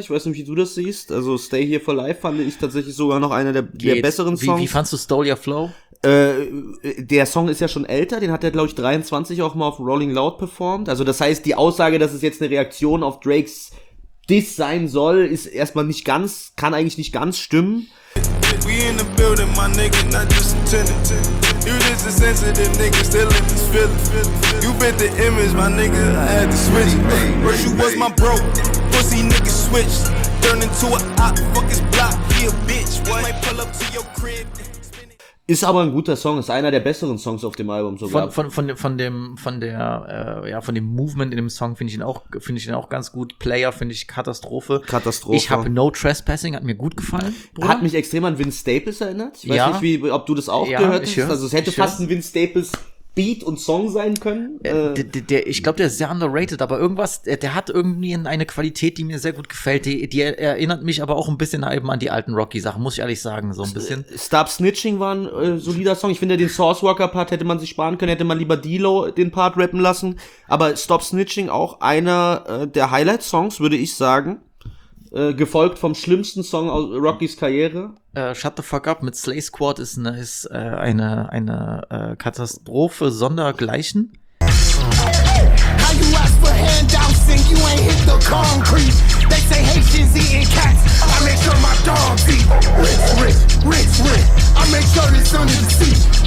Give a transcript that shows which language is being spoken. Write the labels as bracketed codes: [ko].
[de] Ich weiß nicht, wie du das siehst. Also Stay Here for Life fand ich tatsächlich sogar noch einer der besseren Songs. Wie fandst du Stole Your Flow? Der Song ist ja schon älter, den hat er, glaube ich, 23 auch mal auf Rolling Loud performt. Also das heißt, die Aussage, dass es jetzt eine Reaktion auf Drakes Diss sein soll, ist erstmal nicht ganz, kann eigentlich nicht ganz stimmen. [en] We in the building, my nigga, not just a tenant. You just a sensitive nigga, still in this feeling. You bent the image, my nigga, I had to switch. First you was my bro, pussy nigga switch. Turn into a hot, fuck his block, he a bitch. Might pull up to your crib. [de] Ist aber ein guter Song, ist einer der besseren Songs auf dem Album sogar. Von dem Movement in dem Song finde ich ihn auch ganz gut. Player finde ich Katastrophe. Katastrophe. Ich habe No Trespassing, hat mir gut gefallen. Bruder. Hat mich extrem an Vince Staples erinnert. Ich weiß nicht, wie, ob du das auch gehört hast. Also es hätte fast ein Vince Staples Beat und Song sein können. Ich glaube, der ist sehr underrated, aber irgendwas, der hat irgendwie eine Qualität, die mir sehr gut gefällt. Die erinnert mich aber auch ein bisschen eben an die alten Rocky-Sachen, muss ich ehrlich sagen, so ein bisschen. Stop Snitching war ein solider Song. Ich finde, den Source Walker-Part hätte man sich sparen können, hätte man lieber D-Lo den Part rappen lassen. Aber Stop Snitching auch einer der Highlight-Songs, würde ich sagen. Gefolgt vom schlimmsten Song aus Rockys Karriere. Shut the fuck up mit Slay Squad ist eine Katastrophe sondergleichen. [en] How you ask for handouts and you ain't hit the concrete. They say Haitians eating cats, I make sure my dog eat. Rich, rich, rich, rich, I make sure it's under the seat.